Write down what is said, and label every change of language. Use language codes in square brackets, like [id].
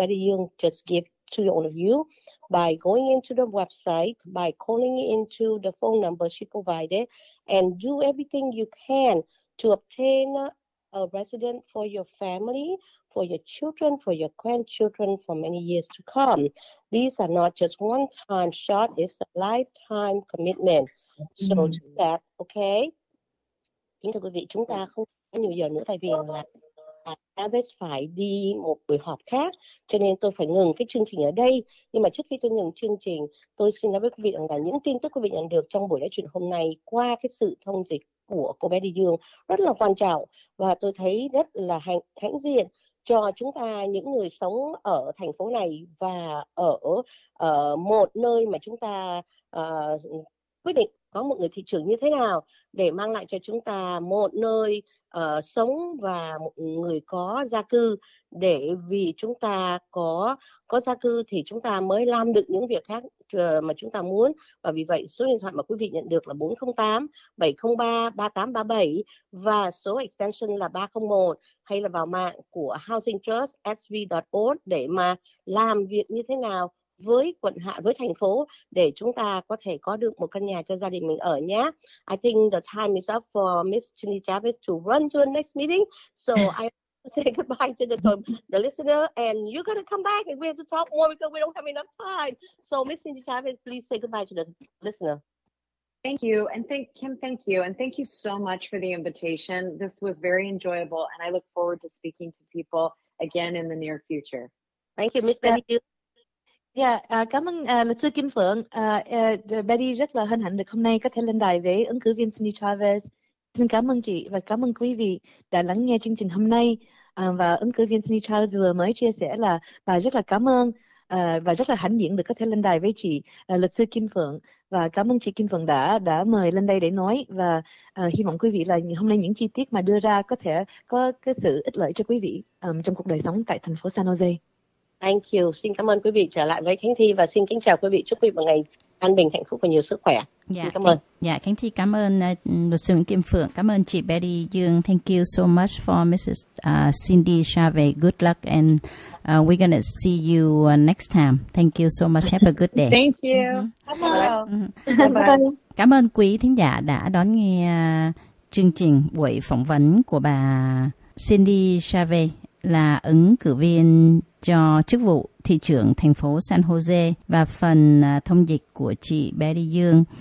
[en] Betty Young just gave to all of you by going into the website, by calling into the phone number she provided, and do everything you can to obtain a resident for your family, for your children, for your grandchildren for many years to come. These are not just one-time shot, it's a lifetime commitment. So do that, okay? [vi] Kính thưa quý vị, chúng ta không có nhiều giờ nữa tại vì là Chavez phải đi một buổi họp khác, cho nên tôi phải ngừng cái chương trình ở đây. Nhưng mà trước khi tôi ngừng chương trình, tôi xin nói với quý vị rằng là những tin tức quý vị nhận được trong buổi nói chuyện hôm nay qua cái sự thông dịch của cô Betty Dương rất là quan trọng, và tôi thấy rất là hãnh diện cho chúng ta, những người sống ở thành phố này và ở một nơi mà chúng ta quyết định có một người thị trưởng như thế nào để mang lại cho chúng ta một nơi sống và một người có gia cư, để vì chúng ta có gia cư thì chúng ta mới làm được những việc khác mà chúng ta muốn. Và vì vậy số điện thoại mà quý vị nhận được là 408-703-3837 và số extension là 301, hay là vào mạng của housingtrustsv.org để mà làm việc như thế nào với quận hạ, với thành phố, để chúng ta có thể có được một căn nhà cho gia đình mình ở nhé. [en] I think the time is up for Miss Cindy Chavez to run to the next meeting. So I say goodbye to the listener, and you're going to come back and we have to talk more because we don't have enough time. So Miss Cindy Chavez, please say goodbye to the listener. Thank you. And thank you. And thank you so much for the invitation. This was very enjoyable. And I look forward to speaking to people again in the near future. Thank you, Ms. Betty. [vi] Yeah, cảm ơn luật sư Kim Phượng. Betty rất là hân hạnh được hôm nay có thể lên đài với ứng cử viên Cindy Chavez. Xin cảm ơn chị và cảm ơn quý vị đã lắng nghe chương trình hôm nay. Và ứng cử viên Cindy Chavez vừa mới chia sẻ là bà rất là cảm ơn và rất là hãnh diện được có thể lên đài với chị luật sư Kim Phượng. Và cảm ơn chị Kim Phượng đã mời lên đây để nói. Và hy vọng quý vị là hôm nay những chi tiết mà đưa ra có thể có cái sự ích lợi cho quý vị trong cuộc đời sống tại thành phố San Jose. [en] Thank you. [vi] Xin cảm ơn quý vị trở lại với Khánh Thi và xin kính chào quý vị. Chúc quý vị một ngày an bình, hạnh phúc và nhiều sức khỏe. Dạ, Khánh Thi cảm ơn luật sư Kim Phượng. Cảm ơn chị Betty Dương. [en] Thank you so much for Mrs. Cindy Chavez. Good luck and we're going to see you next time. Thank you so much. Have a good day. Thank you. [vi] Cảm ơn quý thính giả đã đón nghe chương trình buổi phỏng vấn của bà Cindy Chavez, là ứng cử viên cho chức vụ thị trưởng thành phố San Jose, và phần thông dịch của chị Betty Dương.